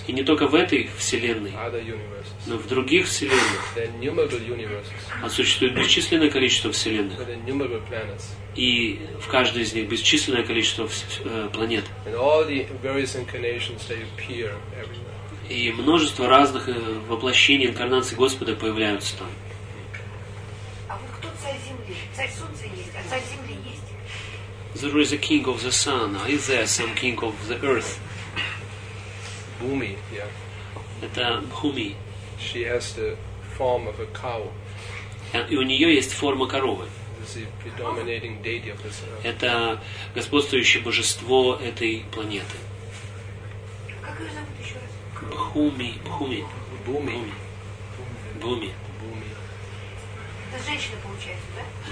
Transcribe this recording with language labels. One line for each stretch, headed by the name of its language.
Russian: и не только в этой вселенной,
English: other universes,
Russian: но в других вселенных.
English: There are innumerable universes,
Russian: существует бесчисленное количество вселенных.
English: With innumerable planets.
Russian: И в каждой из них бесчисленное количество планет.
English: And all the various incarnations, they appear everywhere.
Russian: И множество разных воплощений, инкарнаций Господа появляются там. А вот кто царь Земли? Царь Солнца есть, а царь Земли есть?
English: There is a king of the sun. Is there some king of the earth? Bhumi, yeah.
Russian: Это Bhumi.
English: She has the form of a cow.
Russian: И у нее есть форма коровы.
English: This is the predominating deity of this earth.
Russian: Это господствующее божество этой планеты. Как ее зовут еще раз? Bhumi. Bhumi. Это женщина получается, да?